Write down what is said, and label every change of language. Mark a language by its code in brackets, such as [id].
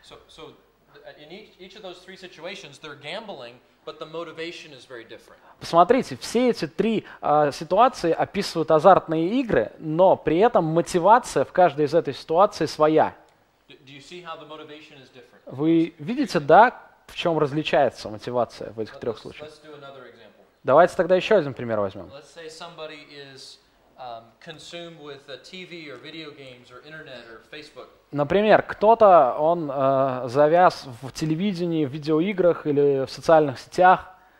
[en] So in each of those three situations, they're gambling, but the motivation is very different. [ru] Посмотрите, все эти три ситуации описывают азартные игры, но при этом мотивация в каждой из этой ситуации своя. [en] Do you see how the motivation is different? [ru] Вы видите, да, в чем различается мотивация в этих трех случаях? [en] Let's do another example. [ru] Давайте тогда еще один пример возьмем. [en] Let's say somebody is consumed with TV or video games or internet or Facebook. [ru] Например, кто-то, он завяз в телевидении, в видеоиграх или в социальных сетях.